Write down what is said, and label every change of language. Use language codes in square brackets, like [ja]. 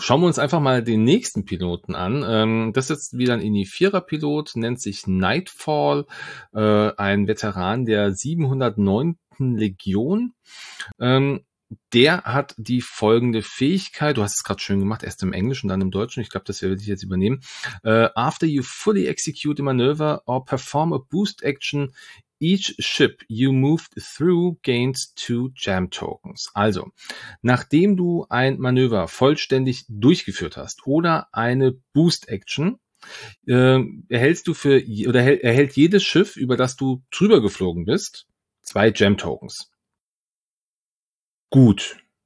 [de] Schauen wir uns einfach mal den nächsten Piloten an. Das ist jetzt wieder ein Inifierer-Pilot, nennt sich Nightfall, ein Veteran der 709. Legion. Der hat die folgende Fähigkeit, du hast es gerade schön gemacht, erst im Englischen, dann im Deutschen, ich glaube, das werde ich jetzt übernehmen. [en] After you fully execute a maneuver or perform a boost action, each ship you moved through gains 2 jam tokens. [de] Also, nachdem du ein Manöver vollständig durchgeführt hast oder eine Boost Action, erhält jedes Schiff, über das du drüber geflogen bist, 2 jam tokens. Gut.